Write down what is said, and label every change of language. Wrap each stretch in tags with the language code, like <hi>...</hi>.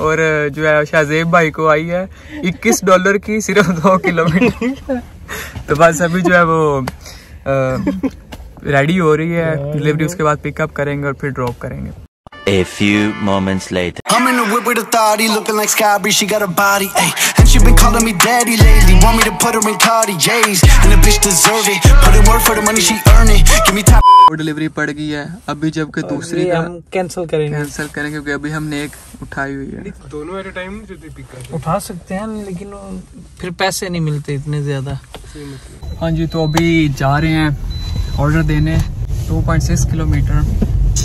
<hi>और जो है शाहजेब भाई को आई है $21 की, सिर्फ 2 किलोमीटर। तो बस अभी जो है वो रेडी हो रही है डिलीवरी, उसके बाद पिकअप करेंगे और फिर ड्रॉप करेंगे।</hi> <en>A few moments later. I'm in a whip with a thotty, looking like Scabby. She got a body, ayy. And she been calling me daddy lately. Want me to put her in Cartier's, and the bitch deserve it. Put in work for the money she earning. Give me top.</en> <hi>और delivery पड़ गई है अभी, जबकि दूसरी हम cancel करेंगे। Cancel करेंगे क्योंकि अभी हमने एक उठाई हुई है। दोनों</hi> <en>at a time</en> <hi>जो थी पिक कर उठा सकते हैं, लेकिन फिर पैसे नहीं मिलते इतने ज्यादा। हाँ जी, तो अभी जा रहे हैं ऑर्डर देने 2.6 किलोमीटर।</hi>